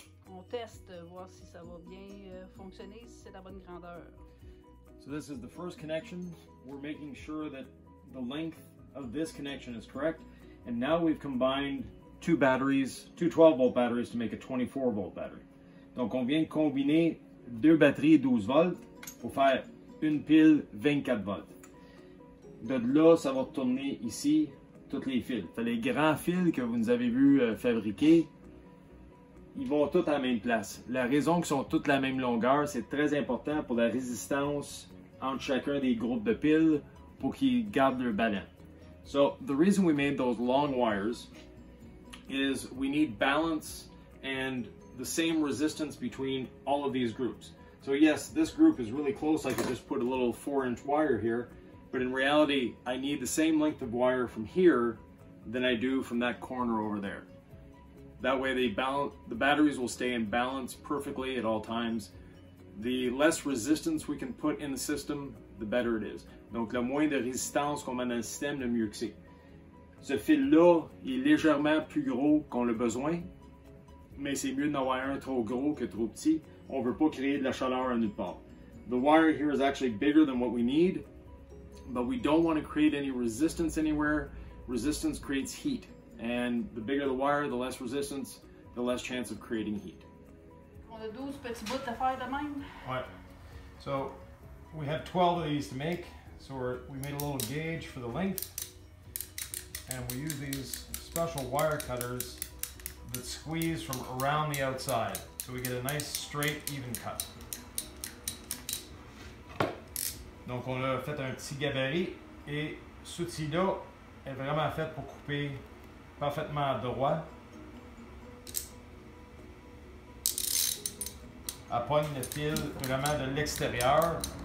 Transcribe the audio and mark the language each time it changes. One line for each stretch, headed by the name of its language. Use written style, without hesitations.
French: On teste voir si ça va bien fonctionner, si c'est la bonne grandeur.
English: So this is the first connection. We're making sure that the length of this connection is correct. And now we've combined two batteries, two 12 volt batteries to make a 24 volt battery.
French: Donc on vient combiner deux batteries 12 volts pour faire une pile 24 volts. De là, ça va retourner ici, tous les fils. Les grands fils que vous nous avez vus fabriquer, ils vont tous à la même place. La raison qu'ils sont tous la même longueur, c'est très important pour la résistance entre chacun des groupes de piles pour qu'ils gardent leur balance.
English: So, the reason we made those long wires is we need balance and the same resistance between all of these groups. So yes, this group is really close. I could just put a little 4-inch wire here. But in reality, I need the same length of wire from here than I do from that corner over there. That way the batteries will stay in balance perfectly at all times. The less resistance we can put in the system, the better it is.
French: Donc le moins de résistance qu'on met dans le système, le mieux que c'est. Ce fil-là est légèrement plus gros qu'on a besoin, mais c'est mieux d'en avoir un trop gros que trop petit. On ne veut pas créer de la chaleur à nulle part.
English: The wire here is actually bigger than what we need. But we don't want to create any resistance anywhere. Resistance creates heat. And the bigger the wire, the less resistance, the less chance of creating heat.
French: On a 12 petits bouts à faire de même.
English: Ouais. So we have 12 of these to make. So we made a little gauge for the length. And we use these special wire cutters that squeeze from around the outside. So we get a nice straight, even cut.
French: Donc on a fait un petit gabarit et cet outil-là est vraiment fait pour couper parfaitement à droite. Elle pogne le fil vraiment de l'extérieur.